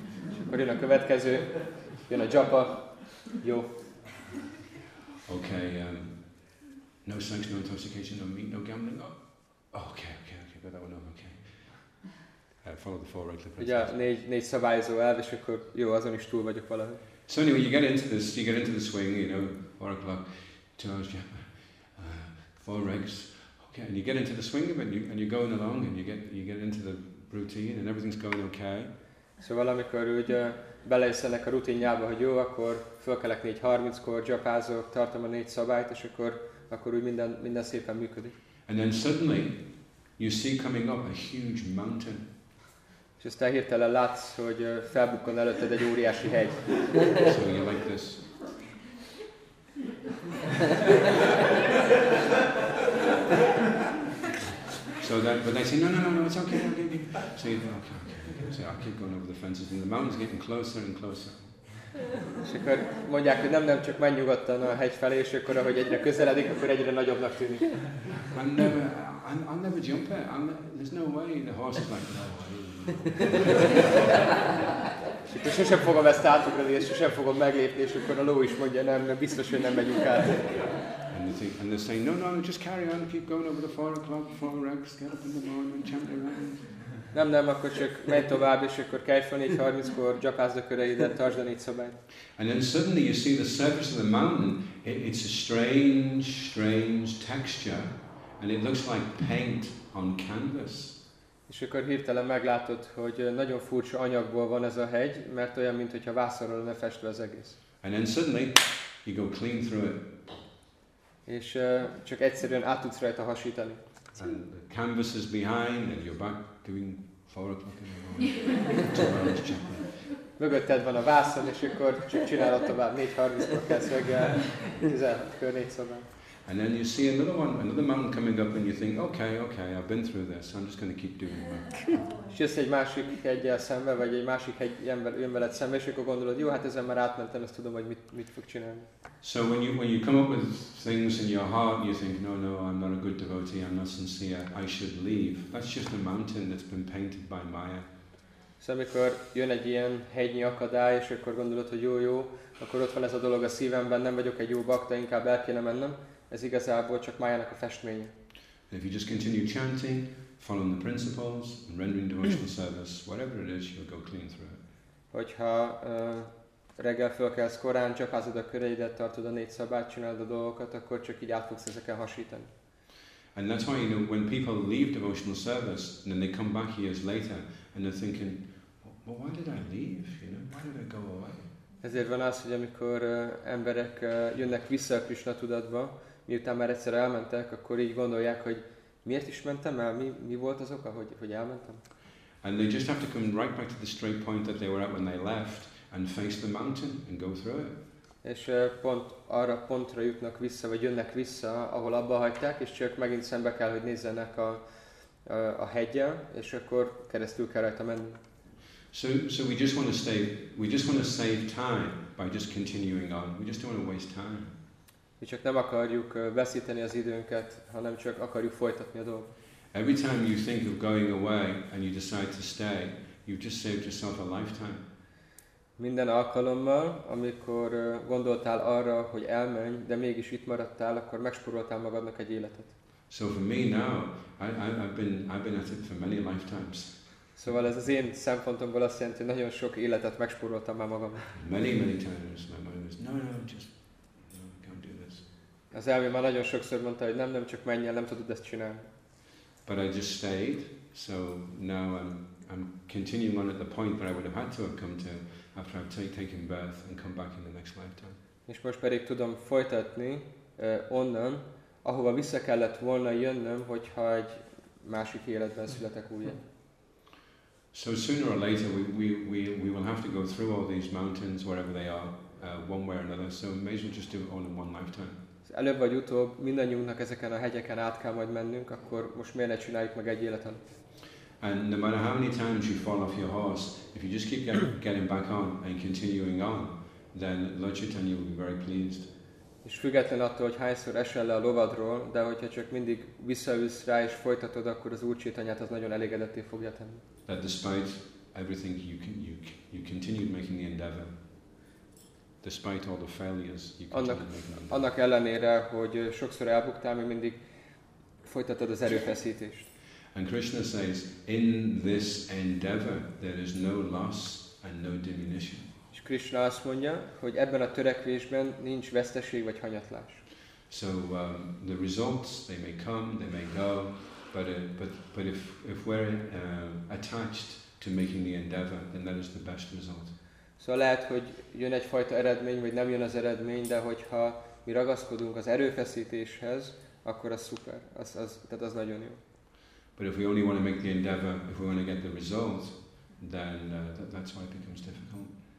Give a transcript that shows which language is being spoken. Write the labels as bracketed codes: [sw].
[hu] És akkor jön a következő, jön a japa, jó. [en] Okay, no sex, no intoxication, no meat, no gambling. Oh, okay, got that one on, okay. Follow the four regular principles. [hu] Ugye, négy szabályozó elv, és akkor jó, azon is túl vagyok valahogy. [en] So anyway, you get into the swing, you know, 4 o'clock, 2 hours, yeah, 4 regs, okay, and you get into the swing of it, and you're going along, and you get into the routine, and everything's going okay. [hu] So valamikor ugye beleszelek a rutinjába, hogy jó, akkor fölkelek 4:30-kor, japázok, tartom a 4 szabályt, és akkor úgy minden szépen működik. [en] And then suddenly, you see coming up a huge mountain. [hu] És aztán hirtelen látsz, hogy felbukkan előtted egy óriási hegy. [en] So you like this. So that, but they say, no, it's okay, I'll give you. So you go, okay. So I keep going over the fences and the mountain's getting closer and closer. [hu] És akkor mondják, hogy nem, csak menj nyugodtan a hegy felé, és akkor ahogy egyre közeledik, akkor egyre nagyobbnak tűnik. [en] I'll never jump it. There's no way. The horse is like, no way. [hu] És akkor sosem fogom ezt átugrani, és sosem fogom meglépni, és akkor a ló is mondja, nem, biztos, hogy nem megyünk át. [en] And they're saying, no, just carry on, keep going over the 4 o'clock, 4 regs, get up in the morning, jump around. [hu] Nem, akkor csak menj tovább, és akkor kelj fel 4:30-kor, japázd a köreidet, tartsd a 4 szabályt. [en] And then suddenly you see the surface of the mountain, it's a strange texture, and it looks like paint on canvas. [hu] És akkor hirtelen meglátod, hogy nagyon furcsa anyagból van ez a hegy, mert olyan, mint hogyha vászonról lenne festve az egész. [en] And then suddenly you go clean through it. [hu] És csak egyszerűen át tudsz rajta hasítani. [en] And the canvas is behind and you're back doing 4 o'clock in the morning. [hu] Mögötted van a vászon, és akkor csak csinálod tovább 4:30-kor kezd reggel, 16:00-kor 4 szobán. [en] And then you see another mountain coming up, and you think, okay, I've been through this, I'm just going to keep doing it. [hu] És jössz egy másik hegyel szembe, vagy egy másik hegy jön veled szembe, és akkor gondolod, jó, hát ezen már átmentem, ezt tudom, hogy mit fog csinálni. [en] So when you come up with things in your heart, you think, no, I'm not a good devotee, I'm not sincere, I should leave. That's just a mountain that's been painted by Maya. [hu] Szóval amikor jön egy ilyen hegynyi akadály, és akkor gondolod, hogy jó, akkor ott van ez a dolog a szívemben, nem vagyok egy jó bakta, inkább el kéne mennem. Ez igazából csak Mayának a festménye. [en] If you just continue chanting, following the principles, and rendering devotional service, whatever it is, you'll go clean through it. [hu] Hogyha reggel fölkelsz korán, csapázod a köreidet, tartod a 4 szabályt, csináld a dolgokat, akkor csak így át fogsz ezeken hasítani. [en] And that's why, you know, when people leave devotional service, and then they come back years later, and they're thinking, well, why did I leave, you know, why did I go away? [hu] Ezért van az, hogy amikor emberek jönnek vissza a Krisna tudatba, miután már egyszer elmentek, akkor így gondolják, hogy miért is mentem el, mi volt az oka, hogy elmentem? [en] And they just have to come right back to the straight point that they were at when they left and face the mountain and go through it. [hu] És pont arra pontra jutnak vissza, vagy jönnek vissza, ahol abba hagyták, és csak megint szembe kell, hogy nézzenek a hegyen, és akkor keresztül kell rajta menni. [en] So we just want to save time by just continuing on. We just don't want to waste time. [hu] Mi csak nem akarjuk veszíteni az időnket, hanem csak akarjuk folytatni a dolgot. [en] Every time you think of going away and you decide to stay, you've just saved yourself a lifetime. [hu] Minden alkalommal, amikor gondoltál arra, hogy elmenj, de mégis itt maradtál, akkor megspóroltál magadnak egy életet. [en] So for me now, I've been at it for many lifetimes. [hu] Szóval ez az én szempontomból azt jelenti, hogy nagyon sok életet megspóroltam már magamnak. [en] Many times my mind was, no, can't do this. [hu] Az elmém már nagyon sokszor mondta, hogy nem, csak menj el, nem tudod ezt csinálni. [en] But I just stayed, so now I'm continuing on at the point that I would have had to have come to after I've taken birth and come back in the next lifetime. [hu] És most pedig tudom folytatni onnan, ahova vissza kellett volna jönnöm, hogyha egy másik életben születek újra. [en] So sooner or later we will have to go through all these mountains wherever they are, one way or another. So may as well just do it all in one lifetime. [hu] előbb vagy utóbb mindannyiunknak ezeken a hegyeken át kell majd mennünk, akkor most miért ne csináljuk meg egy életen? [en] And no matter how many times you fall off your horse, if you just keep getting back on and continuing on, then Lord Chaitanya will be very pleased. [hu] És független attól, hogy hányszor esel le a lovadról, de hogyha csak mindig visszaülsz rá és folytatod, akkor az Úr Csaitanyát az nagyon elégedetté fogja tenni. [en] That despite everything you continued making the endeavor, despite all the failures you [hu] annak ellenére, hogy sokszor elbuktál, még mindig folytatod az erőfeszítést. [en] And Krishna says, in this endeavor there is no loss and no diminution. [hu] Krishna azt mondja, hogy ebben a törekvésben nincs veszteség vagy hanyatlás. [en] So the results they may come, they may go, but if we're attached to making the endeavor, then that is the best result. [hu] Szóval lehet, hogy jön egy fajta eredmény, vagy nem jön az eredmény, de hogyha mi ragaszkodunk az erőfeszítéshez, akkor az szuper. Az nagyon jó. [en] But if we only want to make the endeavor, if we want to get the result, then that's why it becomes difficult.